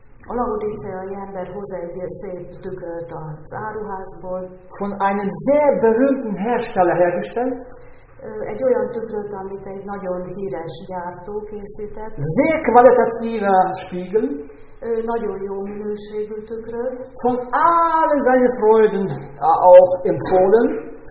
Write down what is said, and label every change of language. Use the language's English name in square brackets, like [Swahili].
[Hungarian] A laodiceai ember hoz egy szép tükört az áruházból. [German] Von einem sehr berühmten Hersteller hergestellt. [Hungarian] Egy olyan tükröt, amit egy nagyon híres gyártó készített. [German] Sehr qualitativer Spiegel. [Hungarian] Nagyon jó minőségű tükröt. [German] Von allen seinen Freunden auch empfohlen.